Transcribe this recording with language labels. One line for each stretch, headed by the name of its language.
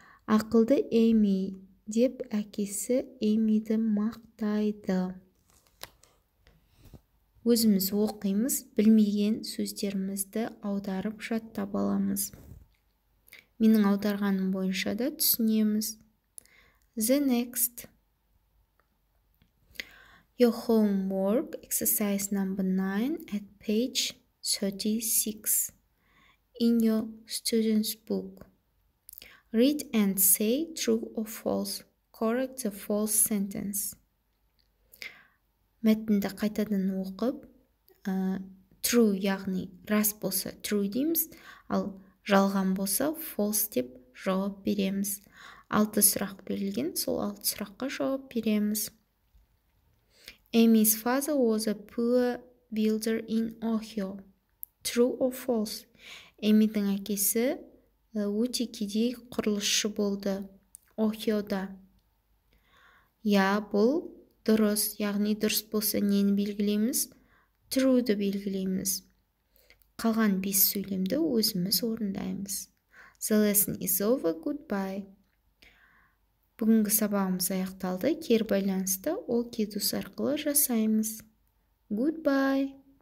Kazakh: Ақылды Эми деп әкесі Эмиді мақтайды. Өзіміз оқимыз, білмеген сөздерімізді аударып жаттап аламыз. Менің аударғаным бойынша да түсінеміз.
English: The next. Your homework exercise number 9 at page 36 in your student's book. Read and say true or false. Correct the false sentence.
Kazakh: Мәтінді қайтадан оқып, true, яғни рас болса true дейміз, ал жалған болса false деп жауап береміз. Алты сұрақ берілген, сол алты сұраққа жауап береміз.
English: Amy's father was a poor builder in Ohio. True or false?
Kazakh: Amy-дің әкесі өте кедей құрылысшы болды Охиода. Иә, бұл дұрыс, яғни дұрыс болса нені белгілейміз? True-ді белгілейміз. Қалған бес сөйлемді өзіміз орындаймыз.
English: The lesson is over, goodbye.
Kazakh: Бүгінгі сабағымыз аяқталды, кері байланысты ол кедус арқылы жасаймыз.
English: Goodbye.